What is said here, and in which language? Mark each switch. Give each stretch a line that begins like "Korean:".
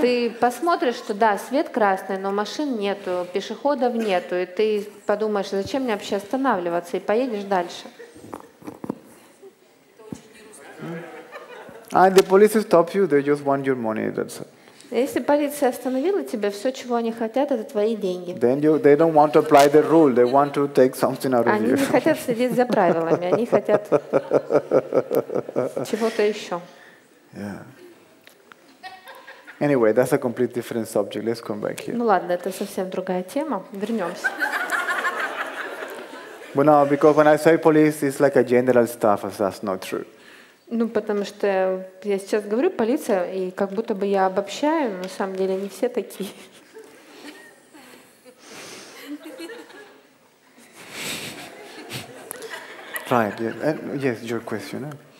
Russian: Ты посмотришь, что да, свет красный, но машин нету, пешеходов нету, и ты подумаешь, зачем мне вообще останавливаться, и поедешь дальше.
English: And the police stop you, they just want your money, that's it.
Russian: Если полиция остановила тебя, все, чего они хотят, это твои деньги.
English: Then they don't want to apply the rule, they want to take something out of
Russian: они
English: you.
Russian: Они не хотят следить за правилами, они хотят чего-то еще.
English: Yeah. Anyway, that's a completely different subject, let's come back here.
Russian: Ну ладно, это совсем другая тема, вернемся.
English: But no, because when I say police, it's like a general stuff, so that's not true.
Russian: Ну, потому что я сейчас говорю полиция, и как будто бы я обобщаю, но на самом деле не все такие.
English: Right, yes, your question.